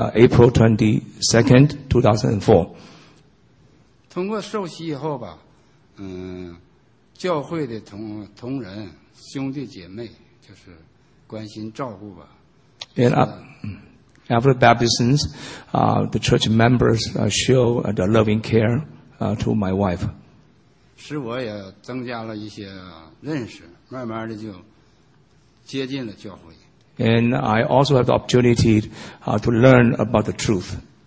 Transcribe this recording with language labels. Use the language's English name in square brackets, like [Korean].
[English] April 22nd, 2004. [Chinese] 就是关心照顾吧, [English] and after baptism, the church members show the loving care to my wife. [Chinese] 使我也增加了一些认识，慢慢的就接近了教会。And [English] I also have the opportunity to learn about the truth.